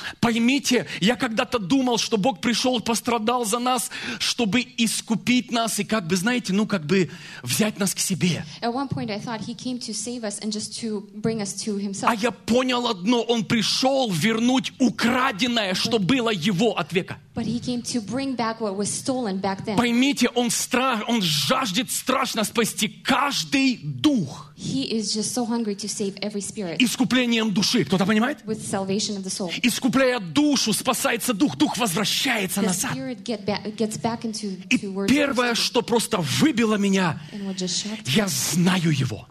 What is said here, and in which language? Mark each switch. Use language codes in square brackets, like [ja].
[ru] Поймите, я когда-то думал, что Бог пришел и пострадал за нас, чтобы искупить нас и как бы, знаете, ну как бы взять нас к себе. А я понял одно, он пришел вернуть украденное, что было его от века. [en] But he came to bring back what was stolen back then. [ru] Поймите, он жаждет страшно спасти каждый дух. [en] He is just so hungry to save every spirit. [ru] Искуплением души. Кто-то понимает? [en] With salvation of the soul. [ru] Искупляя душу, спасается дух. Дух возвращается [en] the [ru] назад. [en] Spirit gets back into [ru] И первое, что просто выбило меня, я знаю его.